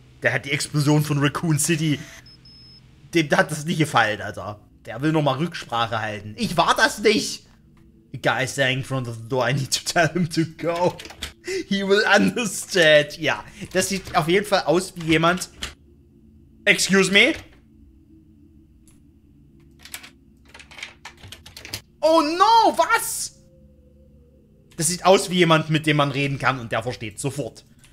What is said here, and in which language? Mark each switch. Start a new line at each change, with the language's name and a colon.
German: Der hat die Explosion von Raccoon City. Dem hat das nicht gefallen, Alter. Der will nochmal Rücksprache halten. Ich war das nicht!
English: Guy standing in front of the door, I need to tell him to go. He will understand.
German: Ja, das sieht auf jeden Fall aus wie jemand.
English: Excuse me?
German: Oh no, was? Das sieht aus wie jemand, mit dem man reden kann und der versteht sofort.